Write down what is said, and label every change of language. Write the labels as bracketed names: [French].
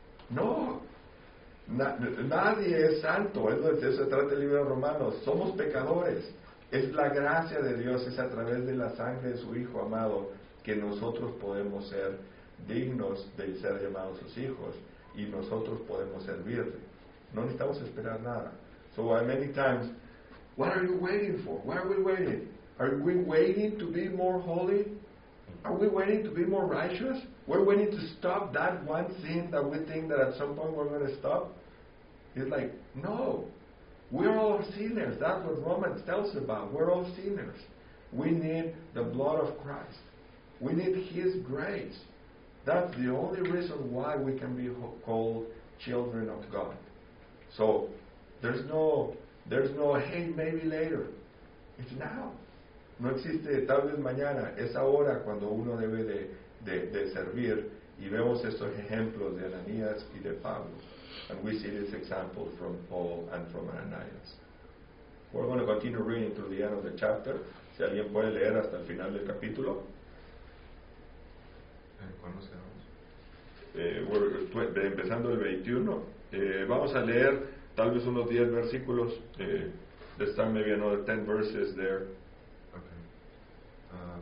[Spanish] No. Nadie es santo. Eso se trata el libro de Romanos. Somos pecadores. Es la gracia de Dios, es a través de la sangre de su Hijo amado que nosotros podemos ser dignos de ser llamados sus hijos y nosotros podemos servirle. No necesitamos esperar nada. [English] So many times, what are you waiting for? Why are we waiting? Are we waiting to be more holy? Are we waiting to be more righteous? We're waiting to stop that one sin that we think that at some point we're going to stop? He's like, no. We're all sinners. That's what Romans tells about. We're all sinners. We need the blood of Christ. We need His grace. That's the only reason why we can be called children of God. So, there's no, hey, maybe later. It's now. [Spanish] No existe tal vez mañana. Es ahora cuando uno debe de servir. Y vemos estos ejemplos de Ananías y de Pablo. [English] And we see this example from Paul and from Ananias. We're going to continue reading through the end of the chapter. [Spanish] Si alguien puede leer hasta el final del capítulo. ¿Cuándo seamos? Empezando el 21. Vamos a leer tal vez unos 10 versículos. [English] This time maybe another 10 verses there. Okay.